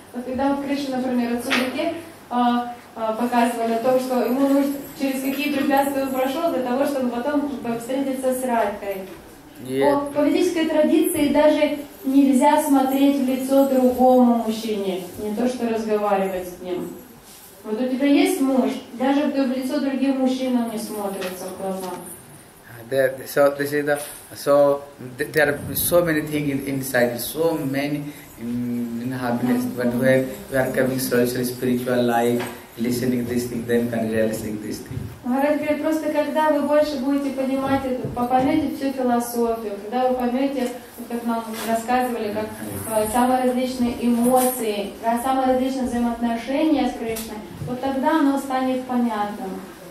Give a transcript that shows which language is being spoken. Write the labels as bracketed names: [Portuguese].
[Russian] Вот когда вот Кришна, например, в Сундуке показывали то, что ему нужно через какие препятствия он прошел для того, чтобы потом встретиться с Радхой. По ведической традиции даже нельзя смотреть в лицо другому мужчине, не то что разговаривать с ним. Вот у тебя есть муж, даже в лицо другим мужчинам не смотрится в глаза. [English] There are so many things inside, so many in happiness, but when we are coming social, spiritual life, listening this thing, then can realize this thing. [Russian] Maharaj говорит, просто когда вы больше будете понимать, поймете всю философию, когда вы поймете, как нам рассказывали, как самые различные эмоции, самые различные взаимоотношения с Кришной, вот тогда оно станет понятным.